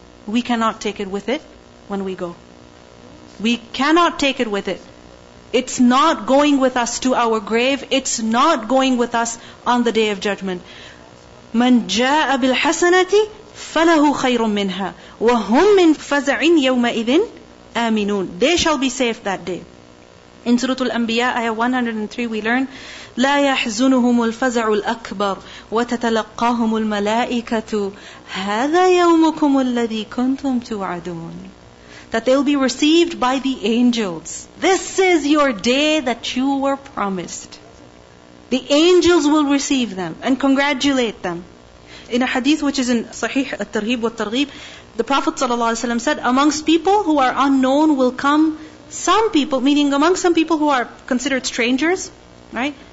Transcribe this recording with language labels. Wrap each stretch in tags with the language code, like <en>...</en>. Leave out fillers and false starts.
<en>we cannot take it with it when we go. We cannot take it with it. It's not going with us to our grave. It's not going with us on the Day of Judgment.</en> <ar>مَنْ جَاءَ بِالْحَسَنَةِ فَلَهُ خَيْرٌ مِّنْهَا وَهُمْ مِّنْ فَزَعٍ يَوْمَئِذٍ آمِنُونَ.</ar> <en>They shall be safe that day. In Surah Al-Anbiya, Ayah 103, we learn,</en> <ar>لَا يَحْزُنُهُمُ الْفَزَعُ الْأَكْبَرُ وَتَتَلَقَّاهُمُ الْمَلَائِكَةُ هَذَا يَوْمُكُمُ الَّذِي كُنْتُمْ تُوعَدُونَ.</ar> <en>That they'll be received by the angels. This is your day that you were promised. The angels will receive them and congratulate them. In a hadith which is in Sahih Al-Tarhib wa Targhib, the Prophet ﷺ said, amongst people who are unknown will come some people, meaning among some people who are considered strangers, right?</en>